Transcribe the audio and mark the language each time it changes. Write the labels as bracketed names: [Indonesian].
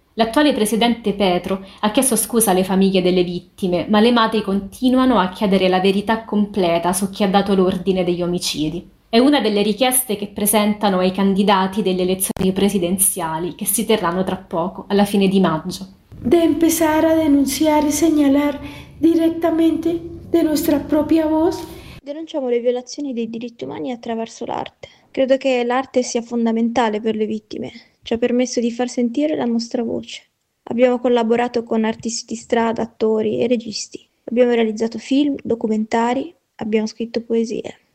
[Italian] L'attuale presidente Petro ha chiesto scusa alle famiglie delle vittime, ma le madri continuano a chiedere la verità completa su chi ha dato l'ordine degli omicidi. È una delle richieste che presentano ai candidati delle elezioni presidenziali che si terranno tra poco, alla fine di maggio. [Spanish] De empezar a denunciar y señalar directamente de nuestra propia voz. [Italian] Denunciamo le violazioni dei diritti umani attraverso l'arte. Credo che l'arte sia fondamentale per le vittime. Ci ha permesso di far sentire la nostra voce. Abbiamo collaborato con artisti di strada, attori e registi. Abbiamo realizzato film, documentari, abbiamo scritto poesie.